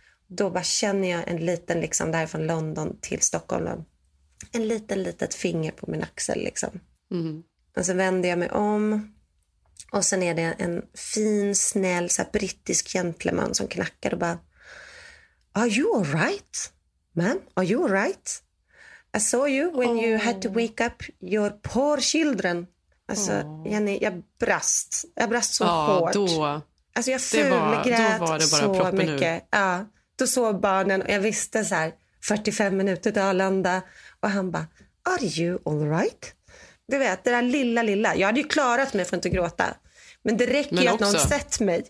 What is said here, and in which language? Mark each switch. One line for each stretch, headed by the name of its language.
Swedish: Då bara känner jag en liten liksom där från London till Stockholm. En liten litet finger på min axel liksom. Mm. Och sen vänder jag mig om. Och sen är det en fin, snäll så här brittisk gentleman som knackar och bara,
English: "Are you all right? Man, are you all right?" I saw you when you had to wake up your poor children.
Swedish: Alltså, Jenny, jag brast. Jag brast så hårt. Ja, då. Alltså, jag fulgrät så mycket. Ja, då såg barnen och jag visste så här, 45 minuter till Arlanda. Och han bara,
English: are you all right?
Swedish: Du vet, det där lilla, lilla. Jag hade ju klarat mig för att inte gråta. Men det räcker ju att någon sett mig.